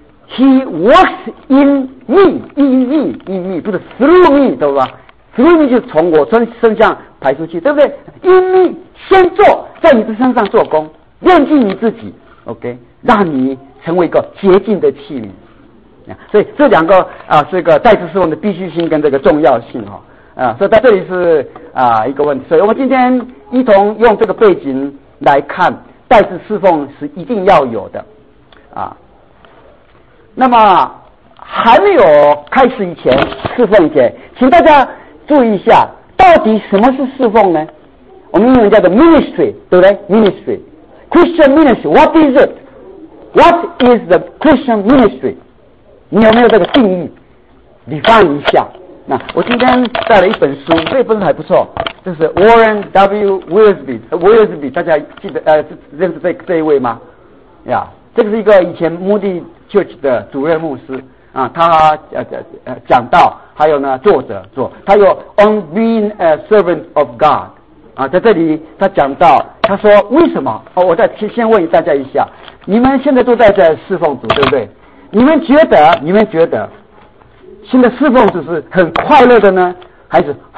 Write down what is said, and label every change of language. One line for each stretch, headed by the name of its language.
Chinese: He works in me， in me 不是 through me，对吧， through me 就是从我身上排出去，对不对， in me 先做，在你的身上做工，炼净你自己 OK， 让你成为一个洁净的器皿，所以这两个啊，这个代职侍奉的必须性跟这个重要性哈啊，所以在这里是啊一个问题。所以我们今天一同用这个背景来看，代职侍奉是一定要有的啊。那么还没有开始以前，侍奉以前，请大家注意一下，到底什么是侍奉呢？我们英文叫做 ministry， 对不对 ？ ministry， Christian ministry， what is it？
English: What is the Christian ministry？
Chinese: 你有没有这个定义 define 一下。那我今天带了一本书，这本书还不错，这是 Warren W. Willsby， Willsby 大家记得认识 这一位吗？呀，这个是一个以前 Moody Church 的主任牧师啊，他讲到，还有呢作者说他有 On Being a Servant of God 啊，在这里他讲到，他说为什么、哦、我再先问大家一下，你们现在都在侍奉主对不对，你们觉得现在侍奉主是很快乐的呢，还是